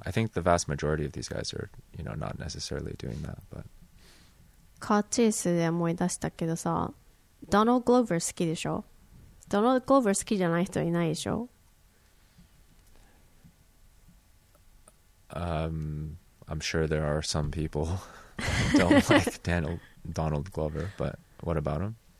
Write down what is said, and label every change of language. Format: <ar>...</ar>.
<en>I think the vast majority of these guys are, you know, not necessarily doing that. But</en> <ja>car chase, で思い出したけどさ。ドナルド・グローバー好きでしょ?ドナルド・グローバー好きじゃない人いないでしょ?</ja> <en>I'm sure there are some people who don't like Donald Glover, but what about him?</en>